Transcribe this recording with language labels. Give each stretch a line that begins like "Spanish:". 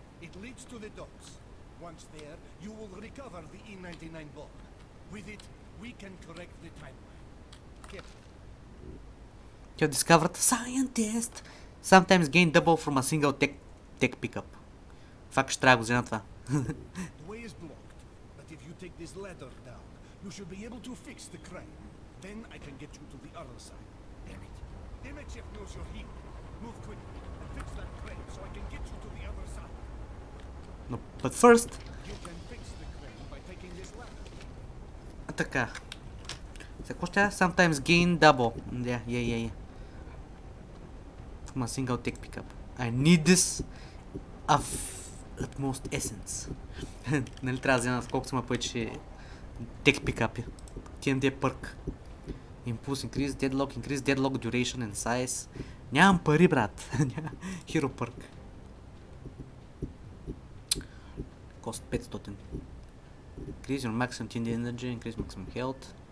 English: It leads to the docks. Once there, you will recover the E99 bomb. With it, we can correct the timeline. Careful. You discovered a scientist. Sometimes gain double from a single tech pickup. Fuck,
Bulgarian: ще трябва да го взема това.
English: The way is blocked, but if you take this ladder down, you should be able to fix the crane. Then I can get you to the other side. Damn it, Chef knows your heat. Move quickly and fix that crane so I can get you to the other side. No, but first... You can fix the crane by taking this ladder.
Bulgarian: А така. Какво ще трябва?
English: Sometimes gain double. Yeah. My single tech pickup. I need this of utmost essence.
Bulgarian: Нали трябва да взема колко съм повече
English: tech pickup. TMD perk. Impulse increase, deadlock increase, deadlock duration and size.
Bulgarian: Нямам пари, брат.
English: Hero perk. Cost 500. Increase your maximum TMD energy, increase maximum health.